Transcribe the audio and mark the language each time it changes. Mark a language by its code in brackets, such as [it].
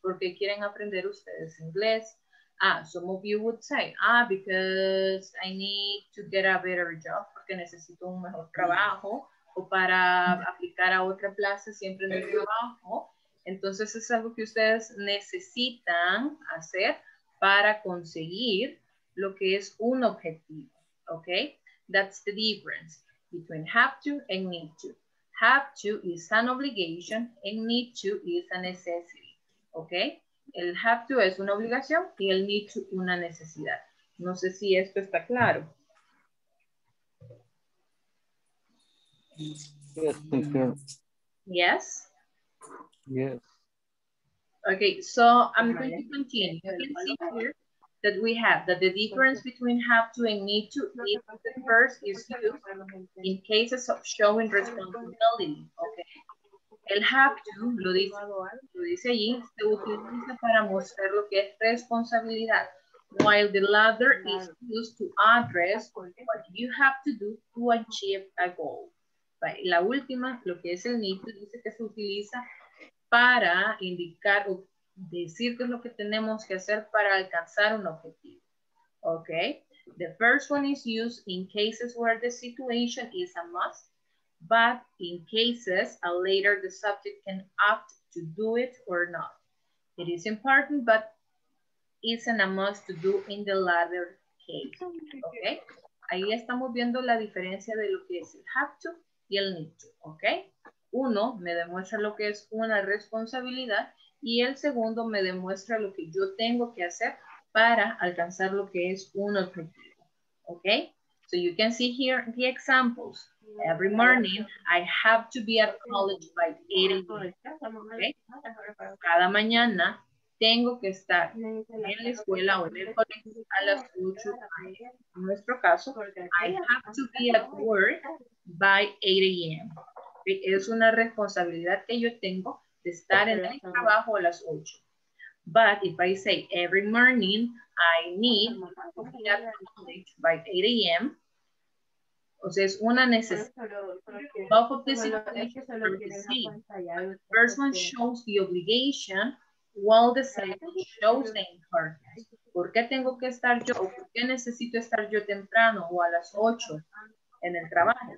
[es] ¿Por qué quieren aprender ustedes inglés? Ah, [en] some of you would say, ah, because I need to get a better job, [es] porque necesito un mejor trabajo, o para aplicar a otra plaza siempre en el trabajo. Entonces es algo que ustedes necesitan hacer para conseguir lo que es un objetivo, okay? [en] That's the difference between have to and need to. Have to is an obligation and need to is a necessity, okay? [es] El have to es una obligación y el need to una necesidad. No sé si esto está claro. [en] Yes, thank you. Yes? Yes. Okay, so I'm going to continue. You can see here that we have that the difference between have to and need to is the first is used in cases of showing responsibility. Okay. [es] El have to, lo dice allí, se utiliza para mostrar lo que es responsabilidad. [en] While the latter is used to address what you have to do to achieve a goal. [es] La última, lo que es el need to, dice que se utiliza para indicar o decir qué es lo que tenemos que hacer para alcanzar un objetivo. [en] Okay? The first one is used in cases where the situation is a must, but in cases a later the subject can opt to do it or not. It is important, but isn't a must to do in the latter case. Okay? [es] Ahí estamos viendo la diferencia de lo que es el have to y el need to. Okay? Uno me demuestra lo que es una responsabilidad y el segundo me demuestra lo que yo tengo que hacer para alcanzar lo que es un objetivo. [en] Okay? So you can see here the examples. Every morning, I have to be at college by 8 a.m. Okay? [es] Cada mañana, tengo que estar en la escuela o en el colegio a las 8 a.m. En nuestro caso, [en] I have to be at work by 8 a.m. [es] Es una responsabilidad que yo tengo de estar en el trabajo a las 8. [en] But if I say every morning, I need to be at college by 8 a.m., [es] o sea, es una necesidad. [en] Both of the situations, the first one shows the obligation, while the second shows the importance. [es] ¿Por qué tengo que estar yo? ¿Por qué necesito estar yo temprano o a las 8 en el trabajo?